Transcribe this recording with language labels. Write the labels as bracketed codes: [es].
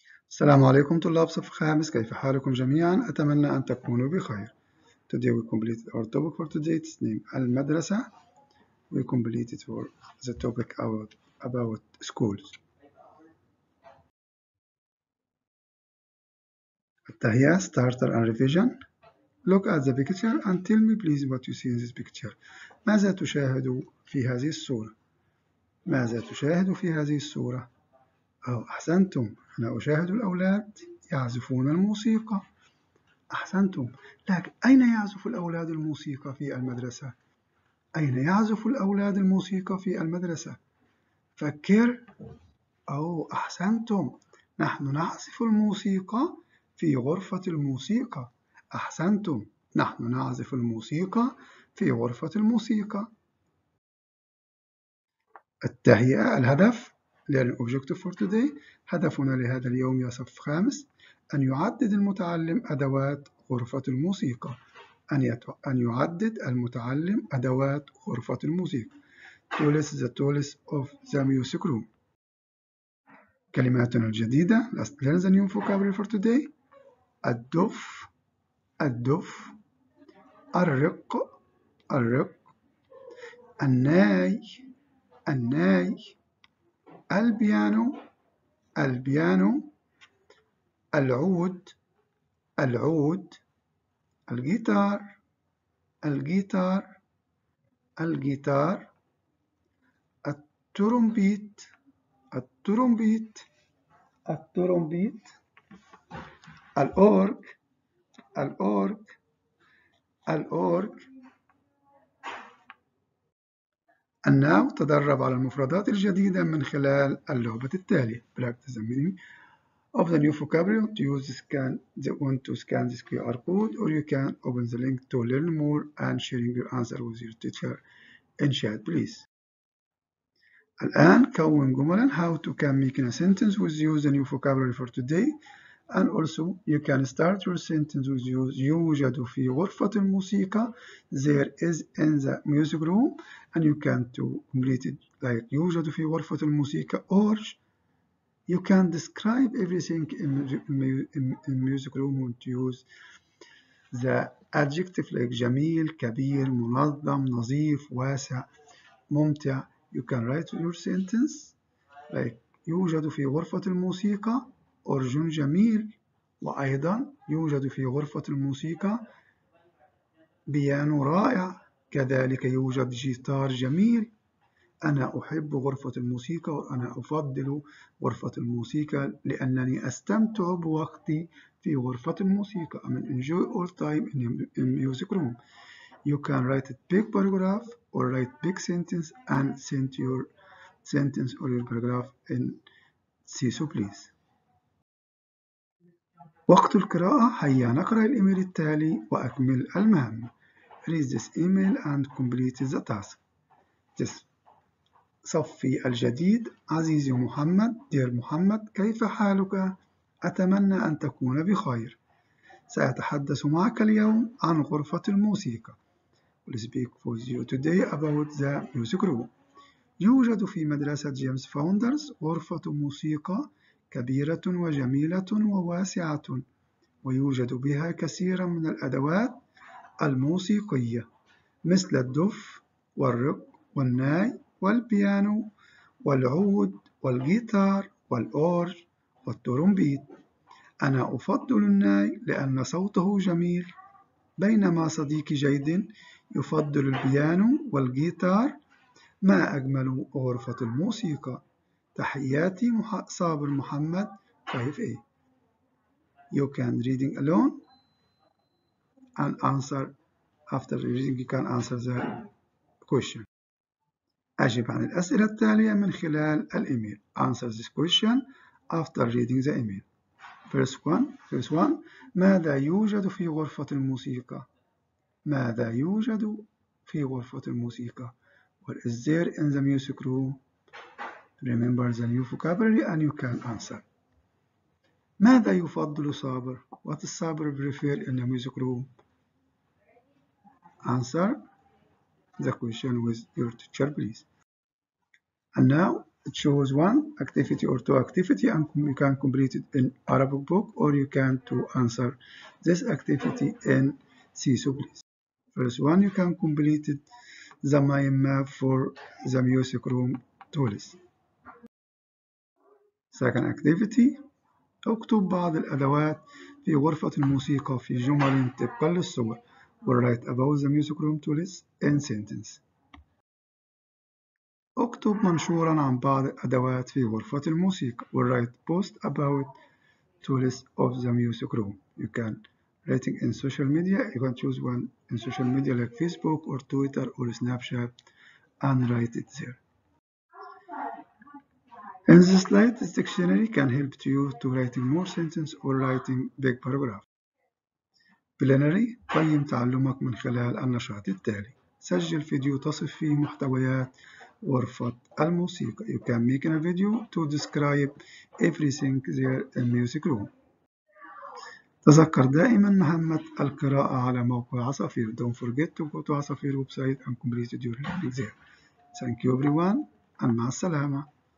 [ar] السلام عليكم طلاب صف خامس، كيف حالكم جميعا؟ أتمنى أن تكونوا بخير. [en] Today we completed our topic for today's name المدرسة. We completed for the topic about schools. التهيئة starter and revision. Look at the picture and tell me please what you see in this picture. [ar] ماذا تشاهد في هذه الصورة؟ ماذا تشاهد في هذه الصورة؟ أحسنتم، أنا أشاهد الأولاد يعزفون الموسيقى. أحسنتم، لكن أين يعزف الأولاد الموسيقى في المدرسة؟ أين يعزف الأولاد الموسيقى في المدرسة؟ فكر. أحسنتم، نحن نعزف الموسيقى في غرفة الموسيقى. أحسنتم، نحن نعزف الموسيقى في غرفة الموسيقى. التهيئة الهدف. [en] Learning objective for today. [ar] هدفنا لهذا اليوم يا صف خامس أن يعدد المتعلم أدوات غرفة الموسيقى. أن يعدد المتعلم أدوات غرفة الموسيقى. [en] Tools the tools of the music room. [ar] كلماتنا الجديدة. [en] Let's learn the new vocabulary for today. [ar] الدف الدف الرق الرق الناي الناي البيانو البيانو العود العود الجيتار الجيتار الجيتار الترومبيت الترومبيت الترومبيت الأورج الأورج الأورج الناو تدرب على المفردات الجديدة من خلال اللعبة التالية. [en] Practice the meaning of the new vocabulary. Use scan the one to scan this QR code, or you can open the link to learn more and sharing your answer with your teacher in chat, please. [ar] الآن كون جملا. [en] How to can make a sentence with use the new vocabulary for today, and also you can start your sentence with use [ar] يوجد في غرفة الموسيقى. [en] There is in the music room. And you can to complete it like [ar] يوجد في غرفة الموسيقى [en] or you can describe everything in music room and use the adjective like [ar] جميل, كبير, منظم, نظيف, واسع, ممتع. [en] You can write your sentence like [ar] يوجد في غرفة الموسيقى or جميل, وأيضا يوجد في غرفة الموسيقى بيانو رائع. كذلك يوجد جيتار جميل. أنا أحب غرفة الموسيقى وأنا أفضل غرفة الموسيقى لأنني أستمتع بوقتي في غرفة الموسيقى. [en] I mean, enjoy all time in the music room. You can write a big paragraph or write big sentence and send your sentence or your paragraph in CISO please. [ar] وقت القراءة. هيا نقرأ الإيميل التالي وأكمل المهمة. [en] Read this email and complete the task. [ar] This صفي الجديد. عزيزي محمد. Dear محمد، كيف حالك؟ أتمنى أن تكون بخير. سأتحدث معك اليوم عن غرفة الموسيقى. [en] We'll speak with you today about the music room. [ar] يوجد في مدرسة جيمس فاوندرز غرفة موسيقى كبيرة وجميلة وواسعة، ويوجد بها كثيرا من الأدوات الموسيقية مثل الدف والرق والناي والبيانو والعود والجيتار والأورج والترومبيت. أنا أفضل الناي لأن صوته جميل، بينما صديقي جيدن يفضل البيانو والجيتار. ما أجمل غرفة الموسيقى. تحياتي صابر محمد 5A. [en] You can reading alone and answer. After reading, you can answer the question. [ar] أجب عن الأسئلة التالية من خلال الإيميل. [en] Answer this question after reading the email. First one. [ar] ماذا يوجد في غرفة الموسيقى؟ ماذا يوجد في غرفة الموسيقى؟ [en] What is there in the music room? Remember the new vocabulary and you can answer. [ar] ماذا يفضل صابر؟ [en] What does صابر prefer in the music room? Answer the question with your teacher, please. And now choose one activity or two activity, and you can complete it in Arabic book, or you can to answer this activity in CISO, please. First one, you can complete the mind map for the music room tools. Second activity, [ar] اكتب بعض الأدوات في غرفة الموسيقى في جمل طبقا للصور. [en] Write about the music room tools in sentence. [ar] اكتب منشورا عن بعض الأدوات في غرفة الموسيقى. [en] Write post about tools of the music room. You can write it in social media. You can choose one in social media like Facebook or Twitter or Snapchat and write it there. In this slide, this dictionary can help you to writing more sentences or writing big paragraph. [ar] Plenary, قيم تعلمك من خلال النشاط التالي. سجل فيديو تصف فيه محتويات غرفة الموسيقى. [en] You can make a video to describe everything there in music room. [ar] تذكر دائما مهمة القراءة على موقع عصافير. [en] Don't forget to go to عصافير website and complete your reading there. Thank you everyone and [ar] مع السلامة.